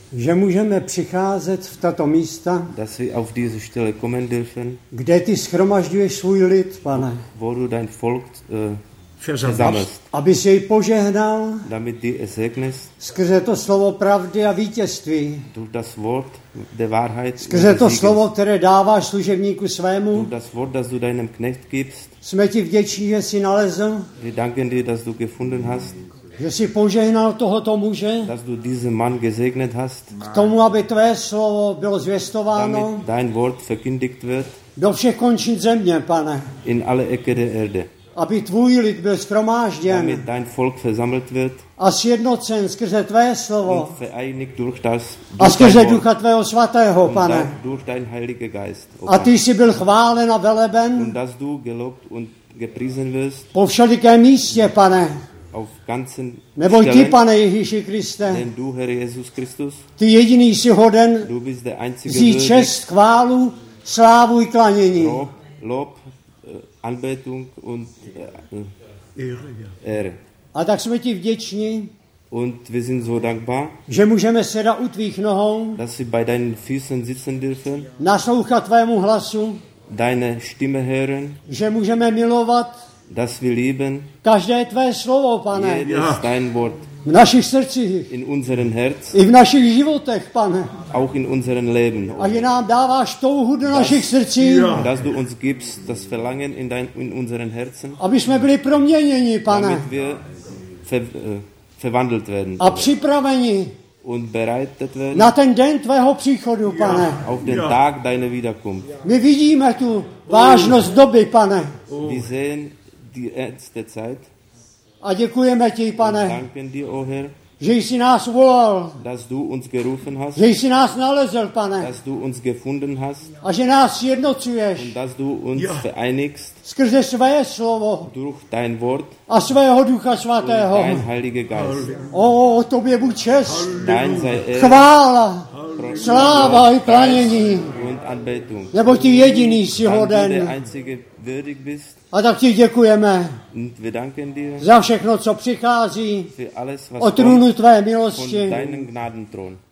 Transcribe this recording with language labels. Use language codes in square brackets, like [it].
[cs] že můžeme přicházet v tato místa, [de] dass wir auf diese Stelle kommen dürfen, [cs] kde ty schromažďuješ svůj lid, pane, [de] wo du dein Volk versammelst, [cs] aby jsi jej požehnal, [de] damit du es segnest, [cs] skrze to slovo pravdy a vítězství, [de] durch das Wort der Wahrheit, [cs] skrze to slovo, které dáváš služebníku svému, [de] durch das Wort, das du deinem Knecht gibst, [cs] jsme ti vděční, že jsi nalezl, [de] wir danken dir, dass du gefunden hast, [cs] že jsi požehnal tohoto muže, [de] dass du diesen Mann gesegnet hast, [cs] k tomu, aby tvé slovo bylo zvěstováno, [de] damit dein Wort verkündigt wird, [cs] do všech končin země, pane, [de] in alle Ecke der Erde, [cs] aby tvůj lid byl shromážděn, [de] damit dein Volk versammelt wird, [cs] a sjednocen skrze tvé slovo, [de] und vereinigt durch das, [cs] a skrze ducha tvého svatého, pane, [de] und durch dein Heiliger Geist, [cs] oh, a ty jsi byl chválen a veleben, [de] und dass du gelobt und gepriesen wirst, [cs] po všelikém místě, pane, [de] auf ganzen [cs] nebo stelen, ty, pane Ježíši Kriste, [de] denn du, Herr Jesus Christus, [cs] ty jediný jsi hoden, [de] du bist der einzige würdig, [cs] vzít čest, chválu, slávu i klanění, [de] lob, Anbetung und Ehre, ja. Ehre. [cs] A tak jsme ti vděční, [de] und wir sind so dankbar, [cs] že můžeme sedat u tvých nohou, [de] dass sie bei deinen Füßen sitzen dürfen, [cs] naslouchat tvému hlasu, [de] deine Stimme hören, [cs] že můžeme milovat, [de] dass wir lieben, [cs] každé tvé slovo, pane, [de] jedes dein Wort, [cs] v našich srdcích, [de] in unseren Herz, [cs] i v našich životech, pane, [de] auch in unseren Leben, [cs] a že nám dáváš touhu do našich srdcí, [de] dass du uns gibst das Verlangen in dein, in unseren Herzen, [cs] aby jsme byli proměněni, pane, [de] damit wir verwandelt werden, [cs] a připraveni, [de] und bereitet werden, [cs] na ten den tvého příchodu, pane, [de] auf den Tag deiner Wiederkunft, [cs] my vidíme tu vážnost doby, pane, [de] wir sehen die ernste Zeit. [cs] A děkujeme ti, pane, [de] dir, oh Herr, [cs] že jsi nás volal, [de] dass du uns gerufen hast, [cs] že jsi nás nalezl, pane, [de] dass du uns gefunden hast, [cs] a že nás jednocuješ, [de] und dass du uns vereinigst, [cs] skrze svoje slovo, [de] durch dein Wort, [cs] a svého ducha svatého, [de] dein Heiliger Geist. [cs] Halleluja. O, tobě buď čest, [de] dein sei Ehre, [cs] chvála, sláva i klanění, [de] und Anbetung, [cs] nebo ty jediný jsi hoden, [de] der einzige würdig bist, [cs] a tak ti děkujeme, [de] und wir danken dir, [cs] za všechno, co přichází, [de] für alles, was [cs] o trůnu tvé milosti, [de] von deinen Gnadenthron,